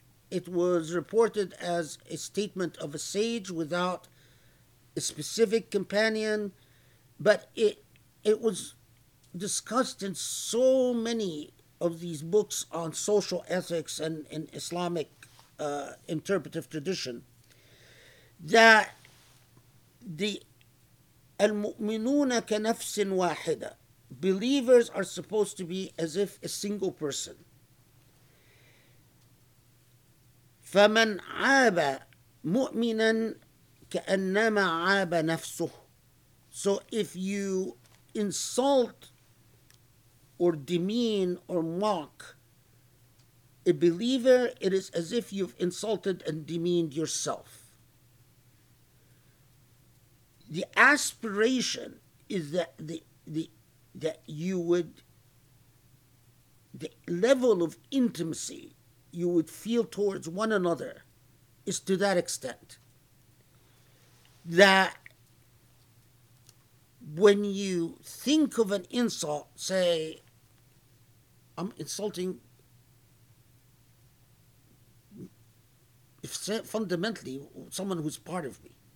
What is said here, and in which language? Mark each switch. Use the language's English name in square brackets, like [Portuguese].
[English] It was reported as a statement of a sage without a specific companion, but it was discussed in so many of these books on social ethics and in Islamic interpretive tradition, that the [Arabic] المؤمنون كنفس واحدة, [English] believers are supposed to be as if a single person. [Arabic] فمن عاب مؤمنا كأنما عاب نفسه. [English] So if you insult or demean or mock a believer, it is as if you've insulted and demeaned yourself. The aspiration is that the level of intimacy you would feel towards one another is to that extent that when you think of an insult, say, I'm insulting, if fundamentally someone who's part of me.